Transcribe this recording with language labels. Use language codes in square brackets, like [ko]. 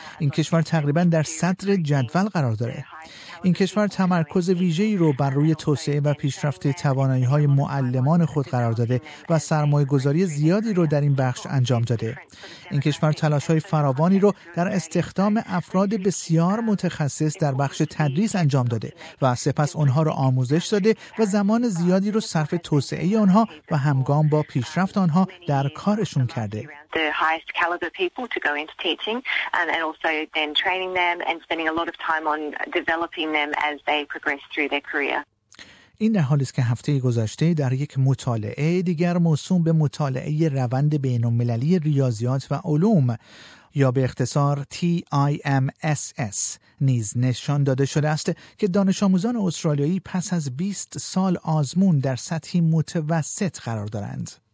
[fa] این کشور تقریبا در صدر جدول قرار داره. این کشور تمرکز ویژه‌ای رو بر روی توسعه و پیشرفت توانایی‌های معلمان خود قرار داده و سرمایه‌گذاری زیادی رو در این بخش انجام داده. این کشور تلاش‌های فراوانی رو در استخدام افراد بسیار متخصص در بخش تدریس انجام داده و سپس اونها رو آموزش داده و زمان زیادی رو صرف توسعه اونها و همگام با پیشرفت آنها در کارشون کرده. [en] The highest caliber people to go into teaching and also then training them and spending a lot of time on developing them as they progress through their career. [fa] این در حالی است که هفته گذشته در یک مطالعه دیگر موسوم به مطالعه روند بین‌المللی ریاضیات و علوم یا به اختصار TIMSS نیز نشان داده شده است که دانش آموزان استرالیایی پس از 20 سال آزمون در سطحی متوسط قرار دارند.